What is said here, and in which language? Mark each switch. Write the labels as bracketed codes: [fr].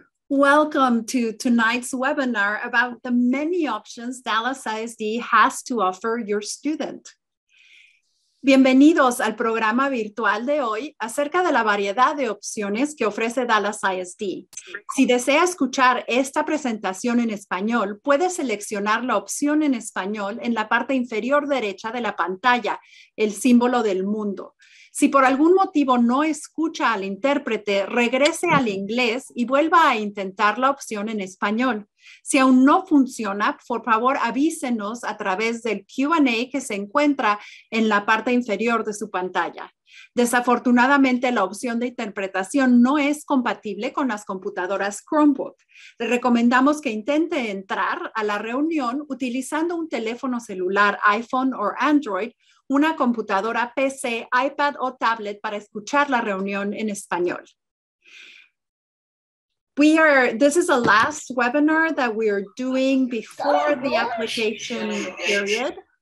[en] Welcome to tonight's webinar about the many options Dallas ISD has to offer your student. [es] Bienvenidos al programa virtual de hoy acerca de la variedad de opciones que ofrece Dallas ISD. Si desea escuchar esta presentación en español, puede seleccionar la opción en español en la parte inferior derecha de la pantalla, el símbolo del mundo. Si por algún motivo no escucha al intérprete, regrese al inglés y vuelva a intentar la opción en español. Si aún no funciona, por favor avísenos a través del Q&A que se encuentra en la parte inferior de su pantalla. Desafortunadamente, la opción de interpretación no es compatible con las computadoras Chromebook. Le recomendamos que intente entrar a la reunión utilizando un teléfono celular iPhone o Android, una computadora PC, iPad o tablet para escuchar la reunión en español. [en] This is the last webinar that we are doing before the application period.